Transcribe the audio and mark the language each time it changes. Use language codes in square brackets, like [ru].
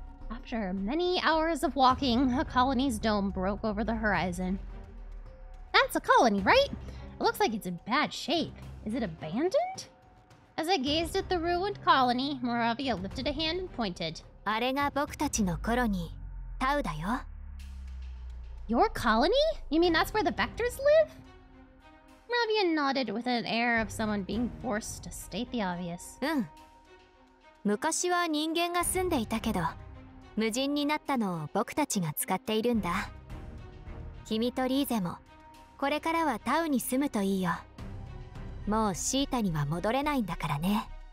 [en] After many hours of walking, a colony's dome broke over the horizon. That's a colony, right? It looks like it's in bad shape. Is it abandoned? As I gazed at the ruined colony, Moravia lifted a hand and pointed. [ja] あれが僕たちの頃に、タウだよ。 [en] Your colony? You mean that's where the Vectors live? Moravia nodded with an air of someone being forced to state the obvious. [ja] うん。昔は人間が住んでいたけど、 無人になったのを僕たちが使っているんだ。君とリーゼも、これからはタウに住むといいよ。もうシータには戻れないんだからね。